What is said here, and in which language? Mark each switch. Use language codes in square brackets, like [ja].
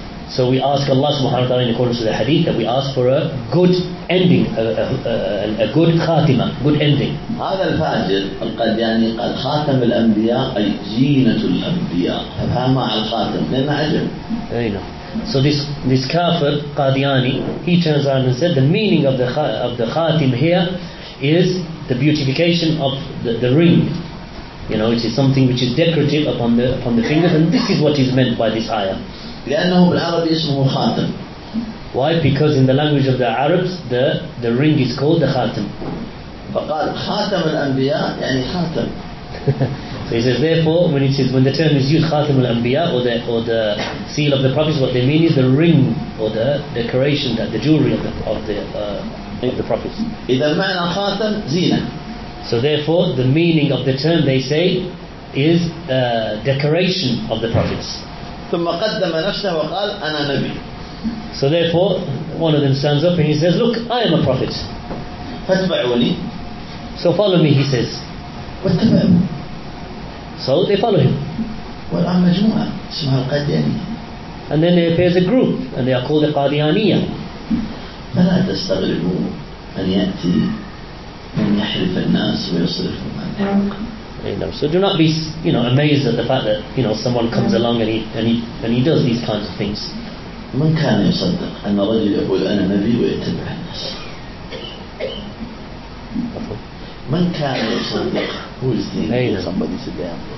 [en] So we ask Allah [ar] subhanahu wa ta'ala [en] in accordance with the hadith that we ask for a good ending, a good khatima, good ending. [ar] هذا الفاجر القدياني قال خاتم الأنبياء أي زينة الأنبياء. فهم مع الخاتم لأن عجم. [en] So this kafir Qadiani, he turns around and said the meaning of the khatim here is the beautification of the ring. You know, it is something which is decorative upon the fingers, and this is what is meant by this ayah. [ar] لأنه بالعربي اسمه خاتم. [en] Why? Because in the language of the Arabs, the ring is called the khatam. [ar] فقال خاتم الأنبياء يعني خاتم. [en] So he says, therefore, when it says, when the term is used, [ar] خاتم الأنبياء, [en] or the seal of the prophets, what they mean is the ring or the decoration, that the jewelry of the prophets. [ar] إذا معنى خاتم زينة. [en] So therefore, the meaning of the term they say is decoration of the prophets. [ar] ثم قدم نفسه وقال أنا نبي. [en] So therefore, one of them stands up and he says, look, I am a prophet. [ar] فاتبعوني. [en] So follow me, he says. [ar] واتبعوا. [en] So they follow him. [ar] والآن مجموعة اسمها القادياني. [en] And then there appears a group and they are called the قاديانية. [ar] فلا تستغربوا أن يأتي من يحرف الناس ويصرفهم عن الحق. [en] You know, so do not be, you know, amazed at the fact that, you know, someone comes along and he does these kinds of things. [ar] من كان يصدق أن رجل يقول أنا نبي ويتبع الناس؟ من كان يصدق؟ [en] Who is the somebody said that?